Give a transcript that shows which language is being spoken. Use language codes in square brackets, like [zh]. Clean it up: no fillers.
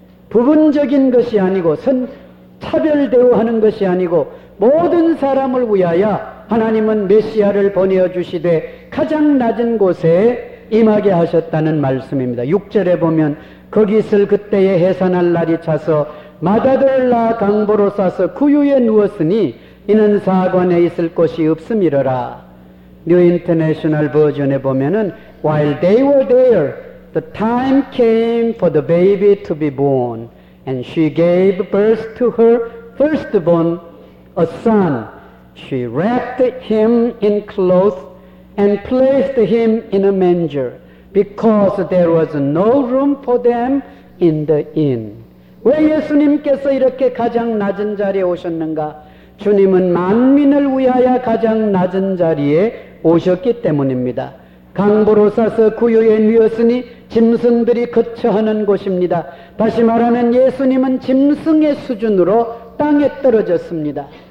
[ko] 부분적인 것이 아니고 차별대우하는 것이 아니고 모든 사람을 위하여 하나님은 메시아를 보내주시되 가장 낮은 곳에 임하게 하셨다는 말씀입니다. 6절에 보면 거기슬 그때에 해산할 날이 차서 마다들라 강보로 싸서 구유에 누웠으니 이는 사관에 있을 곳이 없음이러라. 뉴 인터내셔널 버전에 보면은 [en] While they were there, the time came for the baby to be born, and she gave birth to her firstborn, a son. She wrapped him in cloth and placed him in a manger, because there was no room for them in the inn. [ko] 왜 예수님께서 이렇게 가장 낮은 자리에 오셨는가? 주님은 만민을 위하여 가장 낮은 자리에 오셨기 때문입니다. 강보로 싸서 구유에 누웠으니 짐승들이 거처하는 곳입니다. 다시 말하면 예수님은 짐승의 수준으로 땅에 떨어졌습니다.